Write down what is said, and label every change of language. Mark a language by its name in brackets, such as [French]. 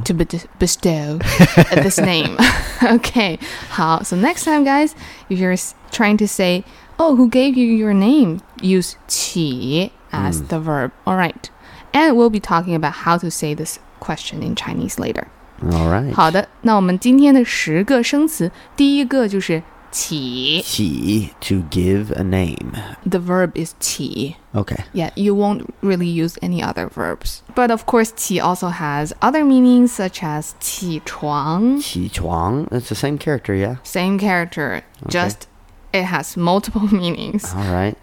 [English] To bestow this name. Okay. 好. So next time, guys, if you're trying to say, oh, who gave you your name? Use 起 as the verb. All right. And we'll be talking about how to say this. Question in Chinese later. All right. [Chinese] 好的，那我们今天的十个生词，第一个就是起。 [English] 起 to give a name. The verb is 起. Okay. Yeah, you won't really use any other verbs. But of course, 起 also has other meanings such as 起床。起床, it's the same character, yeah? Same character, just it has multiple meanings. All right.